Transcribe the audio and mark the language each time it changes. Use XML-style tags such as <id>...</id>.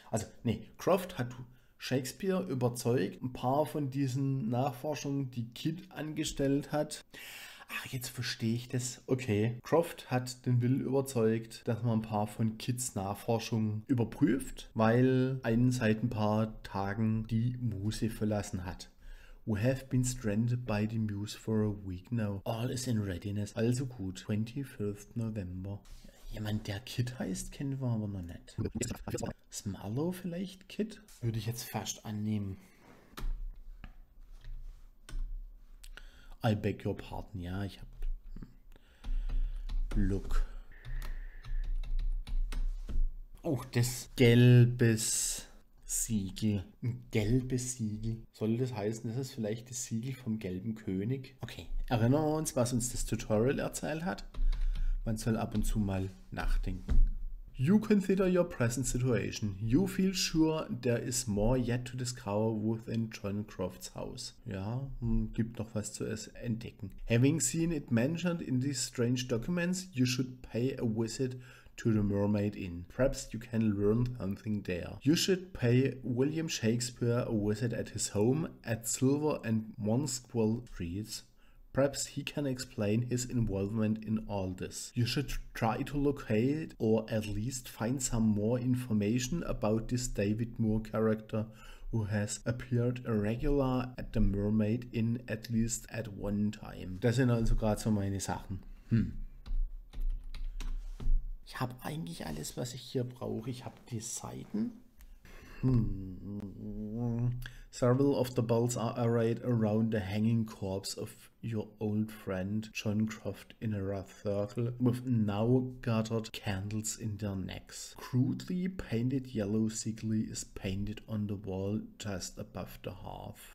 <de>Also, Croft hat Shakespeare überzeugt, ein paar von diesen Nachforschungen, die Kidd angestellt hat. Ach, jetzt verstehe ich das. Okay, Croft hat den Will überzeugt, dass man ein paar von Kidds Nachforschungen überprüft, weil einen seit ein paar Tagen die Muse verlassen hat.</de> <en>We have been stranded by the Muse for a week now. All is in readiness.</en> <de>Also gut, 25. November. Jemand, der Kid heißt, kennen wir aber noch nicht. Ist Marlowe vielleicht Kid? Würde ich jetzt fast annehmen.</de> <en>I beg your pardon.</en> <de>Ja, ich hab.</de> <en>Look.</en> <de>Oh, das gelbes Siegel. Ein gelbes Siegel. Soll das heißen, das ist vielleicht das Siegel vom gelben König? Okay. Erinnern wir uns, was uns das Tutorial erzählt hat? Man soll ab und zu mal nachdenken.</de> <en>You consider your present situation. You feel sure there is more yet to discover within John Crofts' house.</en> <de>Ja, gibt noch was zu entdecken.</de> <en>Having seen it mentioned in these strange documents, you should pay a visit to the Mermaid Inn. Perhaps you can learn something there. You should pay William Shakespeare a visit at his home at Silver and Monkswell Streets. Perhaps he can explain his involvement in all this. You should try to locate or at least find some more information about this David Moore character who has appeared a regular at the Mermaid Inn at least at one time.</en> <de>Das sind also gerade so meine Sachen. Ich habe eigentlich alles, was ich hier brauche. Ich habe die Seiten.</de> <en>Several of the bells are arrayed around the hanging corpse of your old friend John Croft in a rough circle with now gathered candles in their necks. Crudely painted yellow sickly is painted on the wall just above the hearth.</en>